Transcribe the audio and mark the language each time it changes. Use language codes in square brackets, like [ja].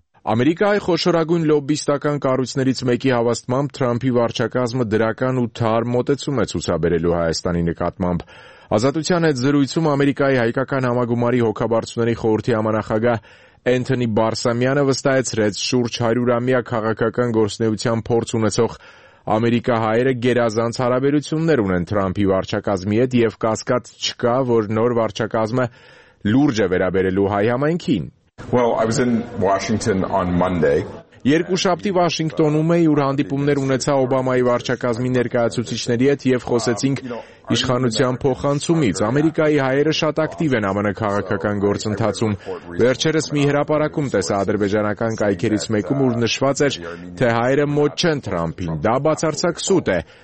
[hy] Ամերիկայի խոշորագույն լոբիստական կառույցներից մեկի հավաստմամբ Թրամփի վարչակազմը դրական ու թարմ մոտեցում է ցուցաբերելու Հայաստանի նկատմամբ։ Ազատության հետ զրույցում Ամերիկայի հայկական համագումարի հոգաբարձությունների խորհրդի համանախագահ Էնթոնի Բարսամյանը վստահեցրեց, շուրջ 100-ամյա քաղաքական գործունեության փորձ ունեցող Ամերիկահայերը գերազանց հարաբերություններ ունեն Թրամփի վարչակազմի հետ, և կասկած չկա, որ նոր վարչակազմը լուրջ է վերաբերելու հայ համայնքին։ [en] Well, I was in Washington on Monday. [hy] Երկու շաբթի Վաշինգտոնում էի, ուր հանդիպումներ ունեցա Օբամայի վարչակազմի ներկայացուցիչների հետ, և խոսեցինք իշխանության փոխանցումից։ Ամերիկայի հայերը շատ ակտիվ են ԱՄՆ քաղաքական գործընթացում։ Վերջերս մի հրապարակում տեսա ադրբեջանական կայքերից մեկում, ուր նշված էր, թե հայերը մոտ չեն Թրամփին։ Դա բացարձակ սուտ է,